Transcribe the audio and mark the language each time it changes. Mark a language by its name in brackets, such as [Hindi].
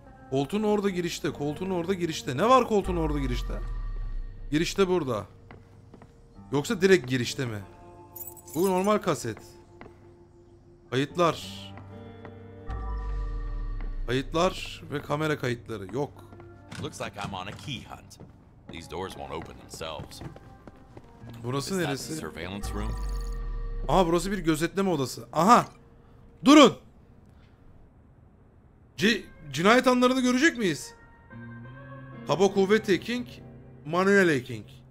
[Turkish] Koltuğun orada girişte, koltuğun orada girişte. Ne var koltuğun orada girişte? Girişte burada. Yoksa direkt girişte mi? Bu normal kaset. Kayıtlar. Kayıtlar ve kamera kayıtları yok. [English] Looks like I'm on a key hunt. These doors won't open themselves. [Turkish] Burası neresi? [English] Surveillance room. [Turkish] Aha, burası bir gözetleme odası. Aha! Durun! Cinayet anlarını görecek miyiz? Kaba Kuvvet Eking, Manuel Eking.